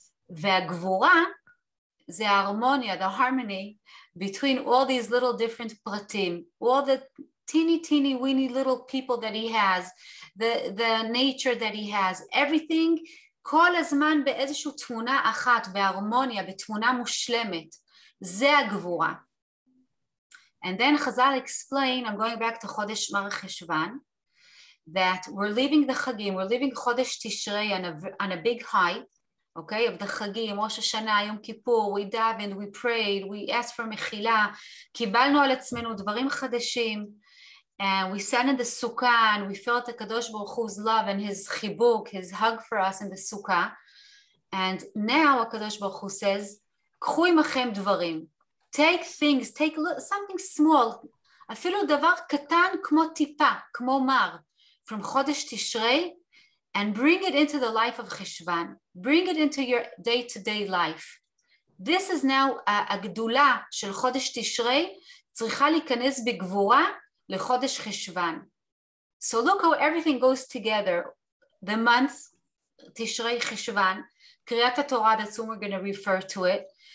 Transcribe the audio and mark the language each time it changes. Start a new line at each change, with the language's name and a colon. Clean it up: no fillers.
Hebrew: והגבורה זה ההרמוניה,
English: the harmony, between all these little different פרטים, all the teeny, teeny, weeny little people that he has, the nature that he has, everything,
Hebrew: כל הזמן באיזושהי תמונה אחת, בהרמוניה, בתמונה מושלמת, זה הגבורה.
English: And then Chazal explained, I'm going back to Chodesh Mar Cheshvan, that we're leaving the Chagim, we're leaving Chodesh Tishrei on a big high, okay, of the Chagim, Rosh Hashanah, Yom Kippur, we davened, we prayed, we asked for Mechila,
Hebrew: קיבלנו על עצמנו דברים חדשים,
English: and we sat in the Sukkah, and we felt the Kadosh Baruch Hu's love and his chibuk, his hug for us in the Sukkah, and now Kadosh Baruch Hu says,
Hebrew: קחו עמכם דברים,
English: take things, take something small,
Hebrew: אפילו דבר קטן כמו טיפה, כמו מר,
English: from Chodesh Tishrei, and bring it into the life of Cheshvan. Bring it into your day-to-day life. This is now
Hebrew: הגדולה של חודש תשרי צריכה להיכנס בגבורה לחודש חשוון.
English: So look how everything goes together. The month, תשרי חשוון, קריאת התורה, that's when we're going to refer to it.